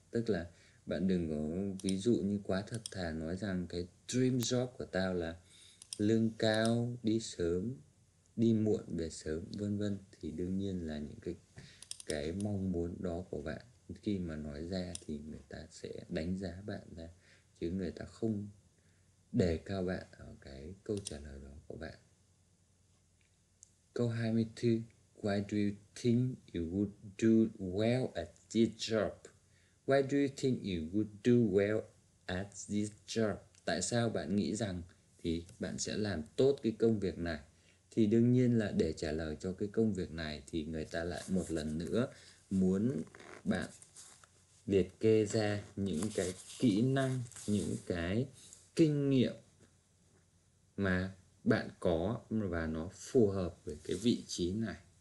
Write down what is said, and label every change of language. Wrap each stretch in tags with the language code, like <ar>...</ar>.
<vi>Tức là bạn đừng có ví dụ như quá thật thà, nói rằng cái dream job của tao là lương cao, đi sớm, đi muộn, về sớm, vân vân. Thì đương nhiên là những cái mong muốn đó của bạn khi mà nói ra thì người ta sẽ đánh giá bạn ra, chứ người ta không đề cao bạn ở cái câu trả lời đó của bạn. Câu 24.</vi> <en>Why do you think you would do well at this job? Why do you think you would do well at this job?</en> <vi>Tại sao bạn nghĩ rằng thì bạn sẽ làm tốt cái công việc này? Thì đương nhiên là để trả lời cho cái công việc này thì người ta lại một lần nữa muốn bạn liệt kê ra những cái kỹ năng, những cái kinh nghiệm mà bạn có và nó phù hợp với cái vị trí này.</vi>